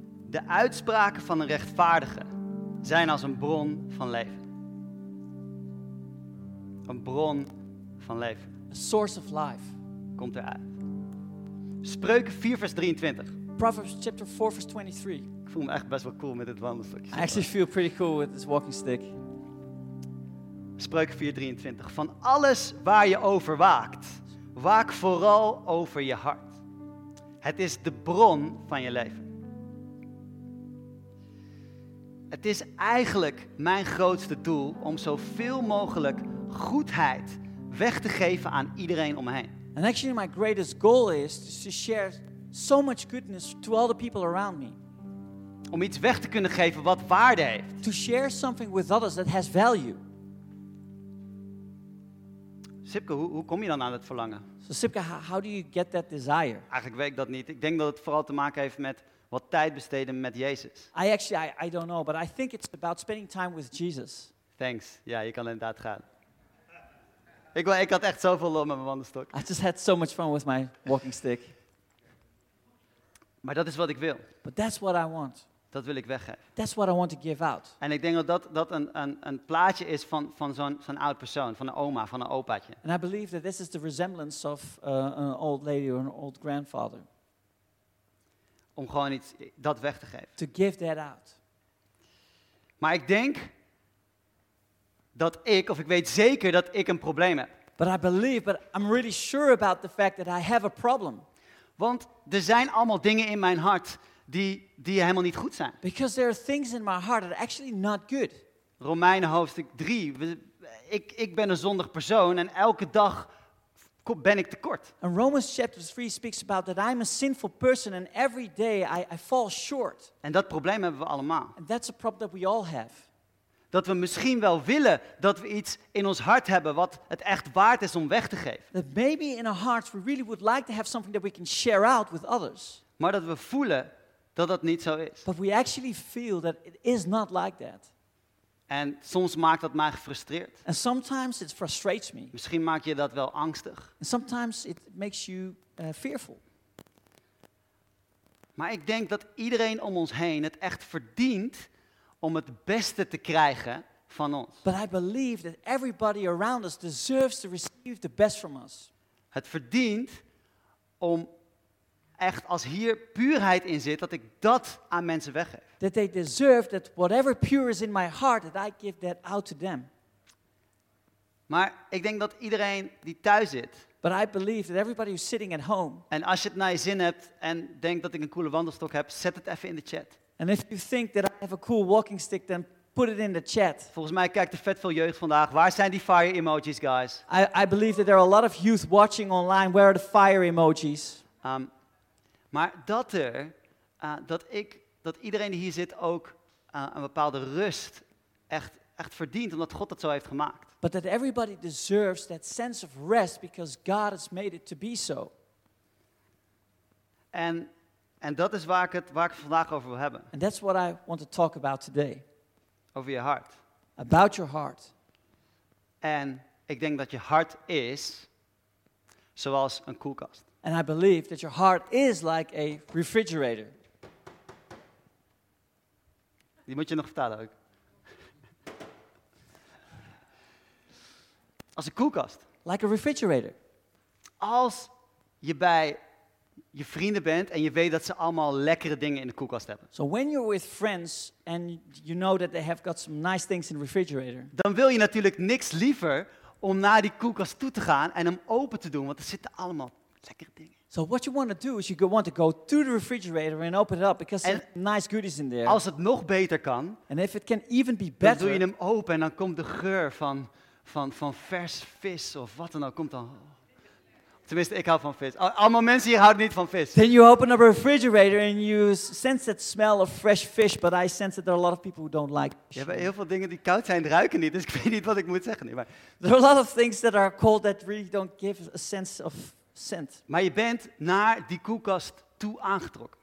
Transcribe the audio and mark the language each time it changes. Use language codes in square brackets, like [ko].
[nl] De uitspraken van een rechtvaardige zijn als een bron van leven. Een bron van leven. [en] A source of life. [nl] Komt eruit. Spreuken 4, vers 23. [en] Proverbs chapter 4, verse 23. [nl] Ik voel me echt best wel cool met dit wandelstokje. [en] I actually feel pretty cool with this walking stick. [nl] Spreuken 4, 23. Van alles waar je over waakt, waak vooral over je hart. Het is de bron van je leven. Het is eigenlijk mijn grootste doel om zoveel mogelijk goedheid weg te geven aan iedereen om me heen. [en] And actually my greatest goal is to share so much goodness to all the people around me. [nl] Om iets weg te kunnen geven wat waarde heeft. [en] To share something with others that has value. [nl] Sipke, hoe kom je dan aan dat verlangen? [en] So Sipke, how do you get that desire? [nl] Eigenlijk weet ik dat niet. Ik denk dat het vooral te maken heeft met wat tijd besteden met Jezus. [en] I don't know, but I think it's about spending time with Jesus. [nl] Thanks. Ja, je kan inderdaad gaan. Ik had echt zoveel lol met mijn wandelstok. [en] I just had so much fun with my walking stick. [nl] Maar dat is wat ik wil. [en] But that's what I want. [nl] Dat wil ik weggeven. [en] That's what I want to give out. [nl] En ik denk dat een plaatje is van zo'n oud persoon, van een oma, van een opaatje. [en] And I believe that this is the resemblance of an old lady or an old grandfather. [nl] Om gewoon iets dat weg te geven. [en] To give that out. [nl] Maar ik denk dat ik weet zeker dat ik een probleem heb. [en] But I believe, but I'm really sure about the fact that I have a problem. [nl] Want er zijn allemaal dingen in mijn hart die helemaal niet goed zijn. [en] Because there are things in my heart that are actually not good. [nl] Romeinen hoofdstuk 3. Ik ben een zondig persoon en elke dag ben ik tekort. [en] And Romans chapter 3 speaks about that I'm a sinful person and every day I fall short. [nl] En dat probleem hebben we allemaal. [en] And that's a problem that we all have. [nl] Dat we misschien wel willen dat we iets in ons hart hebben wat het echt waard is om weg te geven. [en] That maybe in our hearts we really would like to have something that we can share out with others. [nl] Maar dat we voelen dat niet zo is. [en] But we actually feel that it is not like that. [nl] En soms maakt dat mij gefrustreerd. [en] And sometimes it frustrates me. [nl] Misschien maak je dat wel angstig. [en] And sometimes it makes you fearful. [nl] Maar ik denk dat iedereen om ons heen het echt verdient om het beste te krijgen van ons. [en] But I believe that everybody around us deserves to receive the best from us. [nl] Het verdient om echt als hier puurheid in zit, dat ik dat aan mensen weggeef. [en] That they deserve that whatever pure is in my heart, that I give that out to them. [nl] Maar ik denk dat iedereen die thuis zit. [en] But I believe that everybody who's sitting at home. [nl] En als je het naar je zin hebt en denkt dat ik een coole wandelstok heb, zet het even in de chat. [en] And if you think that I have a cool walking stick, then put it in the chat. [nl] Volgens mij kijkt er vet veel jeugd vandaag. Waar zijn die fire emojis, guys? [en] I believe that there are a lot of youth watching online. Where are the fire emojis? [nl] Maar dat iedereen die hier zit ook een bepaalde rust echt verdient, omdat God dat zo heeft gemaakt. [en] But that everybody deserves that sense of rest because God has made it to be so. [nl] En dat is waar ik het vandaag over wil hebben. [en] And that's what I want to talk about today. [nl] Over je hart. [en] About your heart. [nl] En ik denk dat je hart is zoals een koelkast. [en] And I believe that your heart is like a refrigerator. [nl] Die moet je nog vertalen ook. Als een koelkast. [en] Like a refrigerator. [nl] Als je bij je vrienden bent en je weet dat ze allemaal lekkere dingen in de koelkast hebben. [en] So when you're with friends and you know that they have got some nice things in the refrigerator. [nl] Dan wil je natuurlijk niks liever om naar die koelkast toe te gaan en hem open te doen, want er zitten allemaal Lekkere dingen. [en] So what you want to do is you want to go to the refrigerator and open it up because there are nice goodies in there. [nl] Als het nog beter kan. [en] And if it can even be better. [nl] Dan doe je hem open en dan komt de geur van vers vis of wat dan ook komt dan. Tenminste, ik hou van vis. Allemaal mensen hier houden niet van vis. [en] Then you open up a refrigerator and you sense that smell of fresh fish, but I sense that there are a lot of people who don't like fish. [nl] Je hebt heel veel dingen die koud zijn, ruiken niet, dus ik weet niet wat ik moet zeggen. Nee, maar [en] there are a lot of things that are cold that really don't give a sense of scent. [nl] Maar je bent naar die koelkast toe aangetrokken.